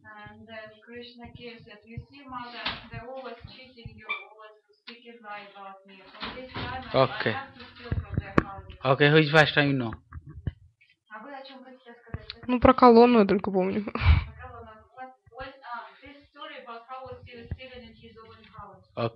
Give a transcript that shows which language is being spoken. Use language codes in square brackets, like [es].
[en] And Krishna gives that, you see, mother, they're always cheating you, always speaking lies about me. From this time, okay. I have to steal from their houses. Okay, which first time you know? [ru] А вы о чем хотите сказать? Ну, про колонну я только помню. Про колонну. [en] What, this story about how was he stealing in his own house.